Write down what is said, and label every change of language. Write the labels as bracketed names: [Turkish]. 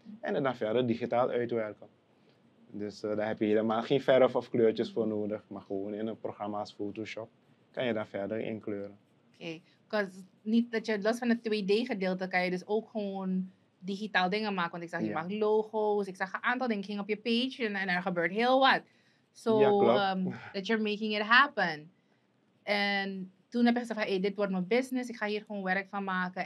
[Dutch] En het dan verder digitaal uitwerken. Dus daar heb je helemaal geen verf of kleurtjes voor nodig. Maar gewoon in een programma als Photoshop kan je daar verder inkleuren. Oké. Okay. Niet dat je los van het 2D gedeelte kan je dus ook gewoon digitaal dingen maken. Want ik zag je maakt logo's. Ik zag een aantal dingen op je page en er gebeurt heel wat. [English] So, that you're making it happen. [Dutch] En toen heb je gezegd van, hey, dit wordt mijn business. Ik ga hier gewoon werk van maken.